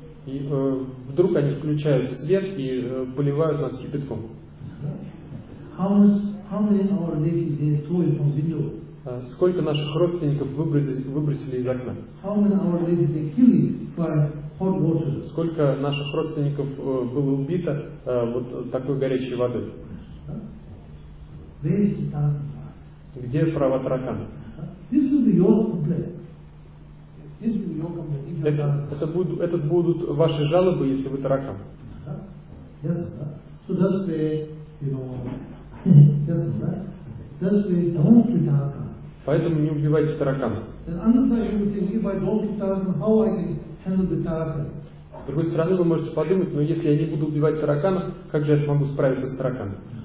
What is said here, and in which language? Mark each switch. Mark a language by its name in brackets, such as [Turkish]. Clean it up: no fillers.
[Russian] И вдруг они включают свет и поливают нас кипятком. [English] How many of our relatives they throw it from window? [Russian] Сколько наших родственников выбросили из окна? [English] How many of our relatives they kill it for hot water? [Russian] Сколько наших родственников было убито вот такой горячей водой? [English] Where is the [Russian] Где права таракана? [English] This will be your complaint. This will be your complaint. [Russian] Это будут ваши жалобы, если вы таракан. [English] So that's the, that's the don't be taraka. [Russian] Поэтому не убивайте таракана. С другой стороны, вы можете подумать, но если я не буду убивать таракана, как же я смогу справиться с тараканом?